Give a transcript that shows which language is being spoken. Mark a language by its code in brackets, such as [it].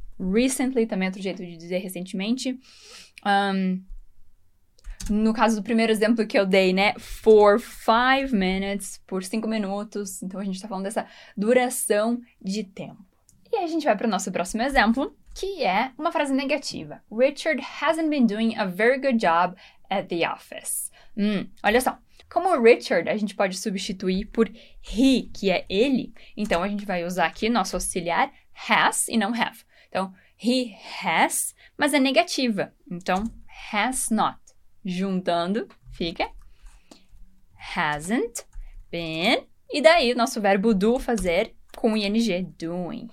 [pt] Recently também é outro jeito de dizer recentemente. No caso do primeiro exemplo que eu dei, né, for 5 minutes, por 5 minutos, então a gente tá falando dessa duração de tempo. E aí a gente vai para o nosso próximo exemplo, que é uma frase negativa. [en] Richard hasn't been doing a very good job at the office. [pt] Olha só, como Richard a gente pode substituir por he, que é ele, então a gente vai usar aqui nosso auxiliar has e não have. Então, he has, mas é negativa, então has not. Juntando, fica hasn't been, e daí o nosso verbo do fazer com ing, doing.